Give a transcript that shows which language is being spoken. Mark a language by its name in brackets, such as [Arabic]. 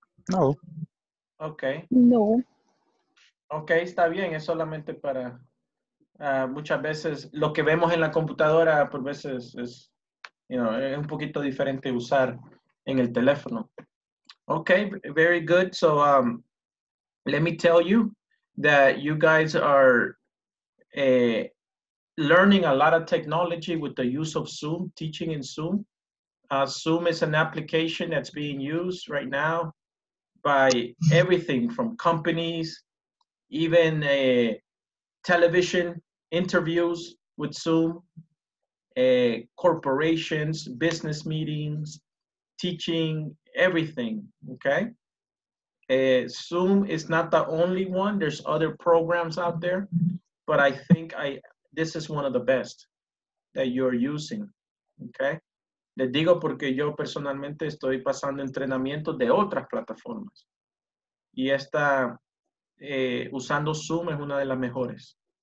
[English] No. Okay. No. [Spanish] Okay, está bien, es solamente para... muchas veces lo que vemos en la computadora por veces es, es un poquito diferente usar en el teléfono. [English] Okay, very good. So let me tell you that you guys are learning a lot of technology with the use of Zoom, teaching in Zoom. Zoom is an application that's being used right now by everything from companies, even television. Interviews with Zoom, corporations, business meetings, teaching, everything, okay? Zoom is not the only one. There's other programs out there, but I think this is one of the best that you're using, okay? [Spanish] Le digo porque yo personalmente estoy pasando entrenamiento de otras plataformas. Y esta, usando Zoom es una de las mejores.